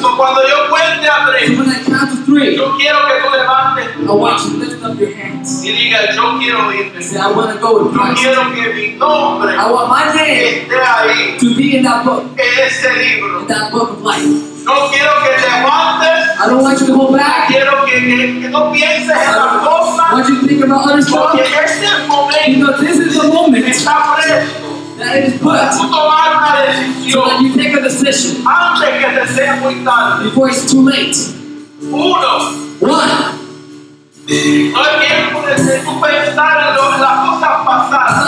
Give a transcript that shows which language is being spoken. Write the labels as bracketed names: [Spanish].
[Spanish] So cuando yo cuente a tres, [English] so when I count to three, [Spanish] yo quiero que tú levantes. [English] I want you to lift up your hands. [Spanish] Y diga, yo quiero irme. [English] Say, I want to go with Christ. [Spanish] Yo quiero que mi nombre, [English] I want my name [Spanish] esté ahí, [English] to be in that book. [Spanish] En ese libro. [English] In that book of life. [Spanish] No quiero que te aguantes. [English] I don't want you to hold back. [Spanish] Quiero que no pienses en la cosa. [English] Want you to think about other stuff. [Spanish] Porque este es el momento. [English] Because this is the moment. [Spanish] Está presto. [English] That it is put. [Spanish] Tú tomar una decisión. [English] So that you take a decision. [Spanish] Antes que te sea muy tarde. [English] Before it's too late. [Spanish] Uno. [English] One. [Spanish] No es tiempo de tú pensar en las cosas pasadas.